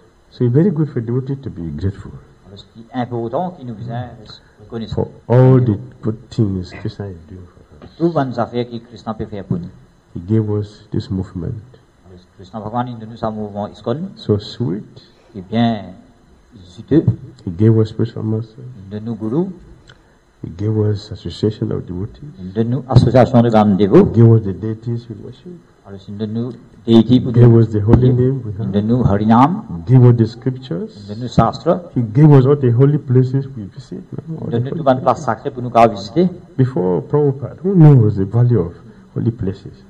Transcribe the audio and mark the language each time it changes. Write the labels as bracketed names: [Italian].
[English] So it's very good for devotee to be grateful. [French] Parce qu'il est important qu'il nous vienne reconnaissant. [English] For all the good things Krishna is doing. [French] Toutes bonnes affaires que Krishna peut faire pour nous. [English] He gave us this movement. [French] Krishna Bhagwan nous a donné ce mouvement ISKCON. [English] So sweet. [French] Et bien visiteux. [English] He gave us special master. [French] Il donne nous guru. [English] He gave us association of devotees. [French] Il donne nous association de grands dévots. [English] He gave us the deities we worship. [French] Alors il donne nous deity pour [English] nous. He gave us the holy name. [French] Il donne nous Hari Nam. [English] He gave us the scriptures. [French] Il donne nous Shastra. [English] He gave us all the holy places we visit. [French] Il donne nous tout bonnes places sacrées pour nous qu'à visiter. [English] Before Prabhupada, who knows the value of holy places?